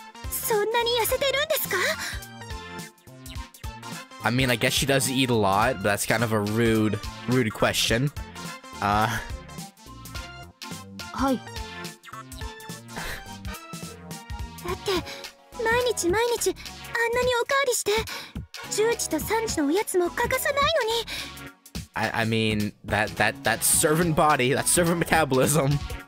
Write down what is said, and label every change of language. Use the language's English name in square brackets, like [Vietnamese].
[Japanese] ああ、私としたことがフルールを忘れるとは。これはお手数をおかけします、さくら。どうぞ。でも、その、それよりも。いや。どうして、そんなに痩せてるんですか? [English] I mean, I guess she does eat a lot, but that's kind of a rude question. [Japanese] はい。だって毎日毎日あんなにおかわりして、10時と3時のおやつも欠かさないのに。I mean [English] that servant body, that servant metabolism.